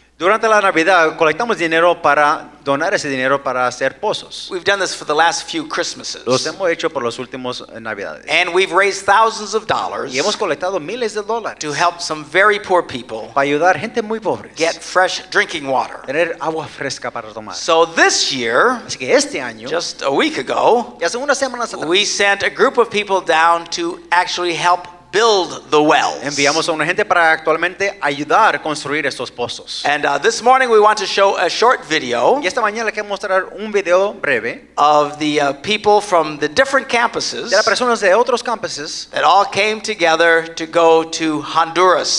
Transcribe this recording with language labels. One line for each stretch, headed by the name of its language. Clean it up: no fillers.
Spanish: Durante la Navidad colectamos dinero para donar ese dinero para hacer pozos.
English: We've done this for the last few Christmases.
Spanish: Los hemos hecho por los últimos Navidades.
English: And we've raised thousands of dollars.
Spanish: Y hemos colectado miles de dólares.
English: To help some very poor people.
Spanish: Para ayudar gente muy pobre.
English: Get fresh drinking water.
Spanish: Tener agua fresca para tomar.
English: So this year,
Spanish: así que este año,
English: just a week ago,
Spanish: ya hace unas semanas atrás,
English: we sent a group of people down to actually help build the wells.
Spanish: Enviamos a una gente para actualmente ayudar a construir estos pozos.
English: And this morning we want to show a short video.
Spanish: Y esta mañana le quiero mostrar un video breve.
English: Of the people from the different campuses.
Spanish: De las personas de otros campuses.
English: That all came together to go to Honduras.